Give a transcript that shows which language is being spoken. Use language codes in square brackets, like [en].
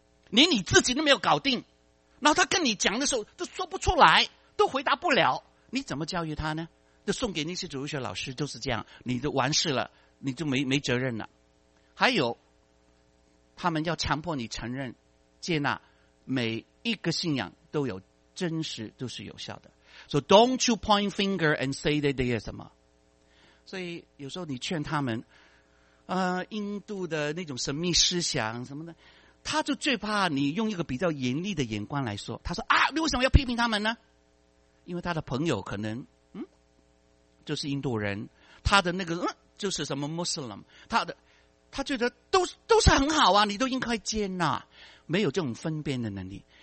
[zh] 连你自己都没有搞定，然后他跟你讲的时候都说不出来，都回答不了，你怎么教育他呢？就送给那些主日学老师，就是这样，你就完事了，你就没责任了。还有，他们要强迫你承认、接纳每一个信仰都有真实，都是有效的。 [en] So don't you point finger and say that they are [zh] 什么？所以有时候你劝他们，印度的那种神秘思想什么的，他就最怕你用一个比较严厉的眼光来说。他说啊，你为什么要批评他们呢？因为他的朋友可能，就是印度人，他的那个就是什么 Muslim， 他觉得都是很好啊，你都应该接纳，没有这种分辨的能力。